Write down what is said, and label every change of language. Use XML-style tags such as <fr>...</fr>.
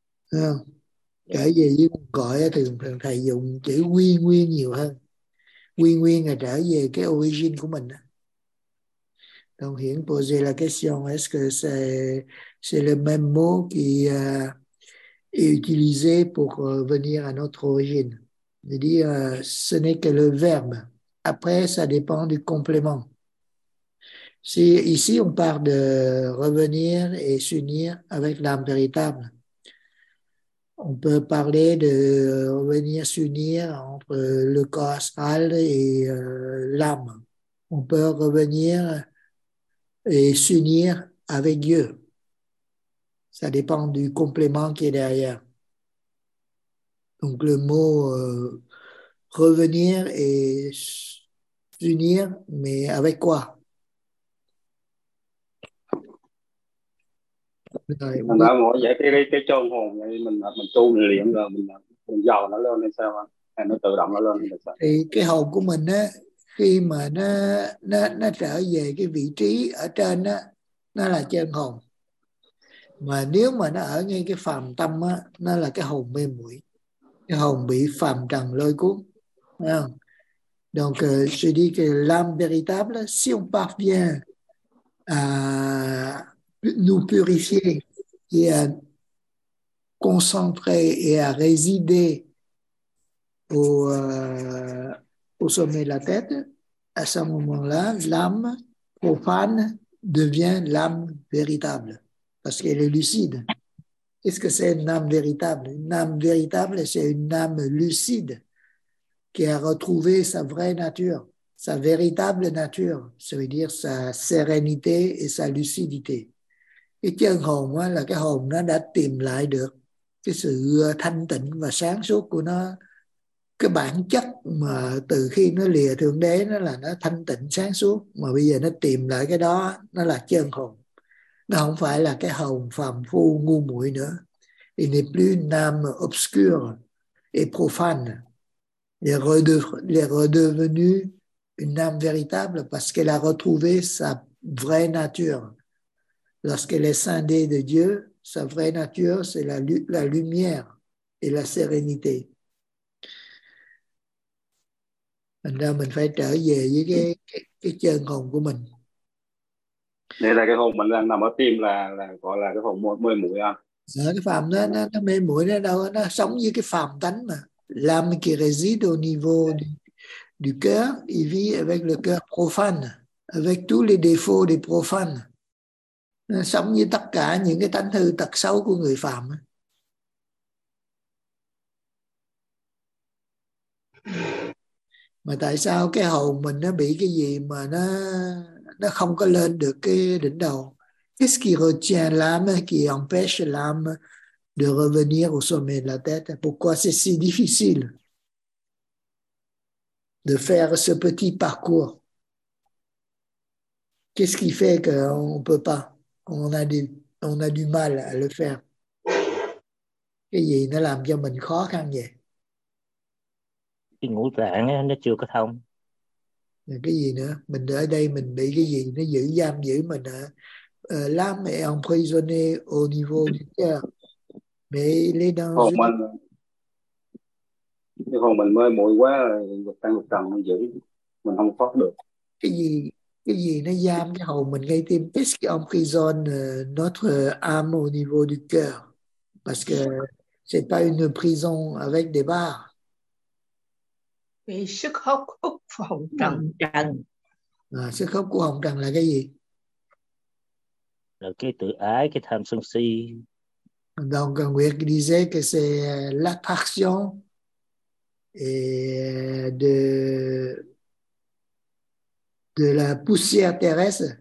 <vi>Trở về với nguồn cội thường thầy dùng chữ quy nguyên nhiều hơn. Quy nguyên là trở về cái origin của mình.</vi> <fr>Donc hiện poser la question, est-ce que c'est le même mot qui est utilisé pour venir à notre origine? C'est-à-dire, ce n'est que le verbe. Après, ça dépend du complément. Si, ici, on parle de revenir et s'unir avec l'âme véritable. On peut parler de revenir s'unir entre le corps astral et l'âme. On peut revenir et s'unir avec Dieu. Ça dépend du complément qui est derrière. Donc le mot revenir et s'unir, mais avec quoi?</fr> <vi>Thầy đã ngồi dạy cái chân hồn này, mình tu mình luyện rồi mình dò nó lên hay sao anh, hay nó tự động nó lên hay sao? Thì cái hồn của mình á, khi mà nó trở về cái vị trí ở trên á, nó là chân hồn, mà nếu mà nó ở ngay cái phàm tâm á, nó là cái hồn mê muội, cái hồn bị phàm trần lôi cuốn, phải không?</vi> <fr>Donc je dis que l'âme véritable, si on parvient à nous purifier et à concentrer et à résider au sommet de la tête, à ce moment-là, l'âme profane devient l'âme véritable parce qu'elle est lucide. Qu'est-ce que c'est une âme véritable? Une âme véritable, c'est une âme lucide qui a retrouvé sa vraie nature, sa véritable nature, ça veut dire sa sérénité et sa lucidité.</fr> <vi>Cái chân hồn á, là cái hồn nó đã tìm lại được cái sự thanh tịnh và sáng suốt của nó. Cái bản chất mà từ khi nó lìa Thượng Đế nó là nó thanh tịnh sáng suốt. Mà bây giờ nó tìm lại cái đó, nó là chân hồn. Nó không phải là cái hồn phàm phu ngu muội nữa.</vi> <fr>Il n'est plus une âme obscure et profane. Il est redevenu une âme véritable parce qu'elle a retrouvé sa vraie nature. Lorsqu'elle est scindée de Dieu, sa vraie nature, c'est la lumière et la sérénité.</fr> <vi>Maintenant, mình phải trở về với cái chân hồn của mình. Đây là cái hồn mình đang nằm ở tim là gọi là cái hồn mê muội không? Dạ, cái phàm nó mê muội nó đâu, nó sống như cái phàm tánh mà.</vi> <fr>L'âme qui réside au niveau du cœur, il vit avec le cœur profane, avec tous les défauts des profanes.</fr> <vi>Sống như tất cả những cái tánh hư tật xấu của người phàm. Mà tại sao cái hồn mình nó bị cái gì mà nó không có lên được cái đỉnh đầu?</vi> <fr>Qu'est-ce qui retient l'âme, qui empêche l'âme de revenir au sommet de la tête? Pourquoi c'est si difficile de faire ce petit parcours? Qu'est-ce qui fait qu'on ne peut pas? On a du mal à le faire.</fr> <vi>Cái gì nó làm cho mình khó khăn vậy? Cái ngũ tạng nó chưa có thông. Cái gì nữa? Mình ở đây mình bị cái gì nó giữ giam giữ mình hả?</vi> <fr>L'âme est emprisonnée au niveau du cœur. Mais il est dans...</fr> <vi>Hồn mình. Cái hồn mình mới mùi quá, lục tăng lục trần giữ. Mình không thoát được. Cái gì nó giam cái hồn mình ngay tim?</vi> <fr>Qu'est-ce qui emprisonne notre âme au niveau du cœur? Parce que c'est pas une prison avec des barres.</fr> <vi>Bị sức hút của hồng trần. Sức hút của hồng trần là cái gì? Là cái tự ái, cái tham sân si.</vi> <fr>Donc, Nguyễn disait que c'est l'attraction et de la poussière terrestre.</fr>